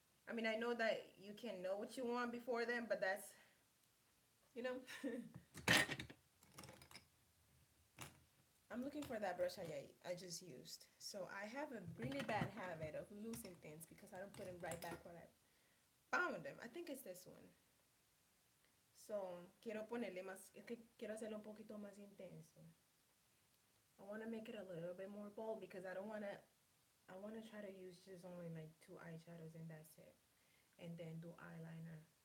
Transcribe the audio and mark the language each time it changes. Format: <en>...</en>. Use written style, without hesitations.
<en>I mean, I know that you can know what you want before then, but that's, you know. I'm looking for that brush I just used. So I have a really bad habit of losing things because I don't put them right back when I found them. I think it's this one.</en> <es>So quiero ponerle más, es que quiero hacerlo un poquito más intenso.</es> <en>I want to make it a little bit more bold because I want to try to use just only like two eyeshadows and that's it. And then do eyeliner.</en>